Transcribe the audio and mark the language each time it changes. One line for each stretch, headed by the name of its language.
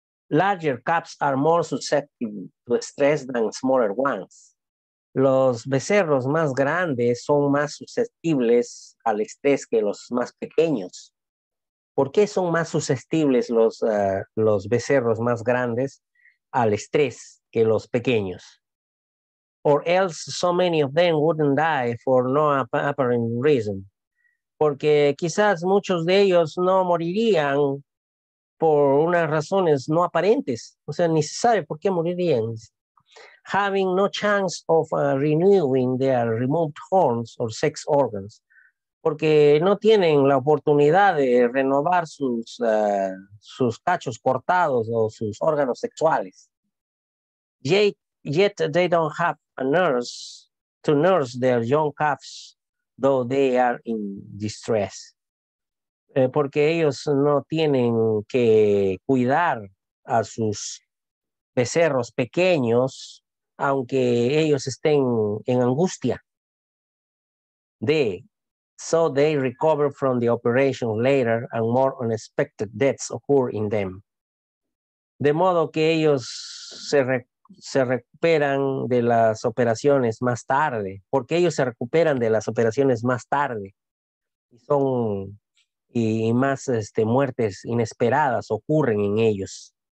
English: Larger calves are more susceptible to stress than smaller ones.
Spanish: Los becerros más grandes son más susceptibles al estrés que los más pequeños. ¿Por qué son más susceptibles los becerros más grandes al estrés que los pequeños?
English: Or else so many of them wouldn't die for no apparent reason.
Spanish: porque quizás muchos de ellos no morirían por unas razones no aparentes, o sea, ni se sabe por qué morirían.
English: Having no chance of renewing their removed horns or sex organs,
Spanish: porque no tienen la oportunidad de renovar sus, sus cachos cortados o sus órganos sexuales.
English: Yet they don't have a nurse to nurse their young calves, though they are in distress.
Spanish: Porque ellos no tienen que cuidar a sus becerros pequeños, aunque ellos estén en angustia.
English: So they recover from the operation later and more unexpected deaths occur in them.
Spanish: De modo que ellos se recuperan de las operaciones más tarde, porque ellos se recuperan de las operaciones más tarde y son y más muertes inesperadas ocurren en ellos.